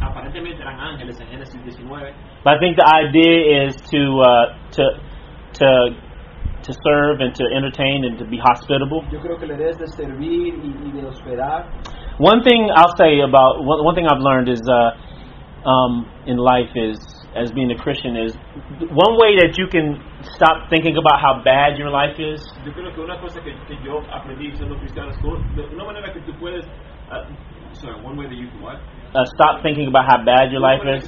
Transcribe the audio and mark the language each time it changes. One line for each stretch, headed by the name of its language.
English: But I think the idea is to serve and to entertain and to be hospitable. One thing I'll say about one thing I've learned is in life is as being a Christian is one way that you can stop thinking about how bad your life is.
Spanish: Yo creo que una cosa que yo aprendí siendo cristiano es una manera que tú puedes
English: one way that you can what? Stop thinking about how bad your life is.